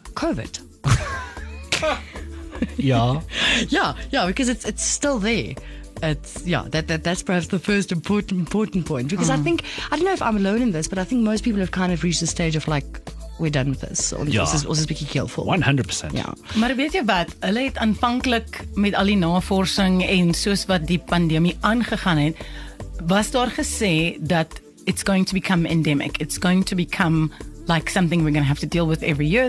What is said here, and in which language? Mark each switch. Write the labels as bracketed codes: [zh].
[en] COVID. Yeah. Yeah, because it's still there. That's perhaps the first important point. Because I don't know if I'm alone in this, but I think most people have kind of reached the stage of like, we're done with this. Or this is [af] bietjie keelvol. [en] 100%. [af] Ja. Maar weet jy wat, hulle het aanvanklik met al die navorsing en soos wat die pandemie aangegaan het, was daar gesê dat [en] it's going to become endemic. It's going to become like something we're going to have to deal with every year.